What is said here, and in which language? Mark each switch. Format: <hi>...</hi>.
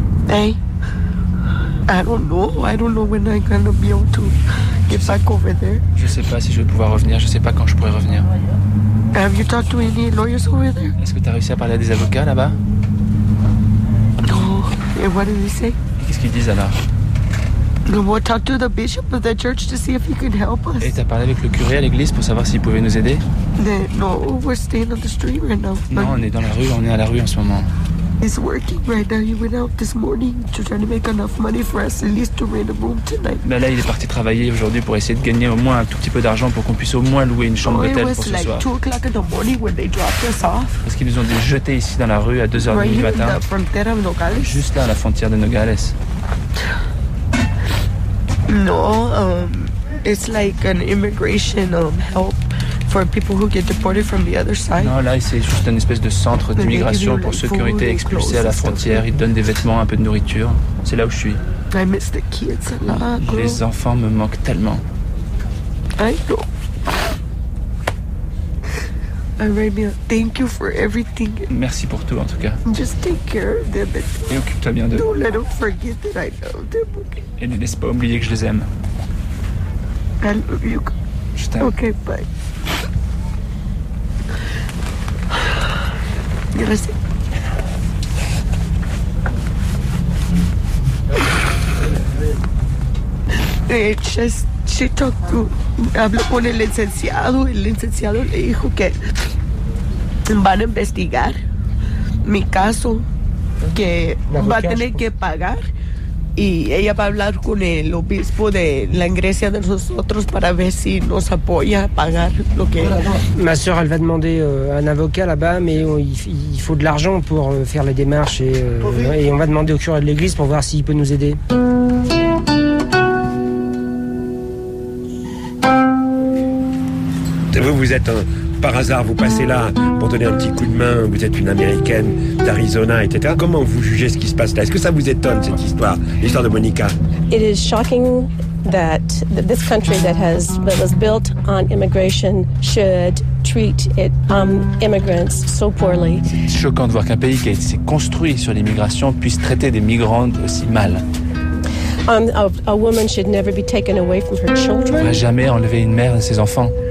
<en>Hey, I don't know when I'm gonna be able to get back over there.</en> <fr>Je sais pas si je vais pouvoir revenir, je sais pas quand je pourrais revenir.</fr> <en>Have you talked to any lawyers over there?</en> <fr>Est-ce que t'as réussi à parler à des avocats là-bas?</fr> <en>No, and what did he say?</en> <fr>Qu'est-ce qu'ils disent alors?</fr> <en>We'll talk to the bishop of the church to see if he can help us.</en> <fr>Et t'as parlé avec le curé à l'église pour savoir s'il pouvait nous aider?</fr> <en>No, we're staying on the street right now.</en> <fr>Non, on est dans la rue, on est à la rue en ce moment.</fr> <en>He's working right now. He went out this morning to try to make enough money for us at least to rent a room tonight.</en> <fr>Bah là, il est parti travailler aujourd'hui pour essayer de gagner au moins un tout petit peu d'argent pour qu'on puisse au moins louer une chambre d'hôtel pour ce soir.</fr> <en>It was like 2 o'clock in the morning when they dropped us off.</en> <fr>Parce qu'ils nous ont dû jeter ici dans la rue à 2h30 du matin. Juste là, à la frontière de Nogales.</fr> <en>No, it's like an immigration help for people who get deported from the other side.</en> <fr>Non, là, c'est juste un espèce de centre d'immigration pour ceux qui ont été expulsés à la frontière. Ils donnent des vêtements, un peu de nourriture. C'est là où je suis.</fr> <en>I miss the kids a lot, girl.</en> <fr>Les enfants me manquent tellement.</fr> <en>I know. Arabia, thank you for everything.</en> <fr>Merci pour tout, en tout cas.</fr> <en>Just take care of them.</en> <fr>Et occupe-toi bien d'eux.</fr> <en>Don't let them forget that I love them, okay?</en> <fr>Et ne laisse pas oublier que je les aime.</fr> <en>I love you.</en> <fr>Je t'aime.</fr> <en>Okay, bye.</en> <es>Gracias.</es> <en>She talked to...</en> <es>Habló con el licenciado. El licenciado le dijo que... van a investigar mi caso, que va a tener que pagar, y ella va a hablar con el obispo de la iglesia de nosotros para ver si nos apoya a pagar lo que...</es> <fr>Ma soeur, elle va demander un avocat là-bas, mais il faut de l'argent pour faire les démarches, et on va demander au curé de l'église pour voir s'il peut nous aider. Vous êtes un... Par hasard, vous passez là pour donner un petit coup de main. Vous êtes une Américaine d'Arizona, etc. Comment vous jugez ce qui se passe là? Est-ce que ça vous étonne, cette histoire, l'histoire de Monica?</fr> <en>It is shocking that this country that was built on immigration should treat it, immigrants so poorly.</en> <fr>C'est choquant de voir qu'un pays qui s'est construit sur l'immigration puisse traiter des migrants aussi mal.</fr> <en>A woman should never be taken away from her children.</en> <fr>On ne devrait jamais enlever une mère de ses enfants.</fr>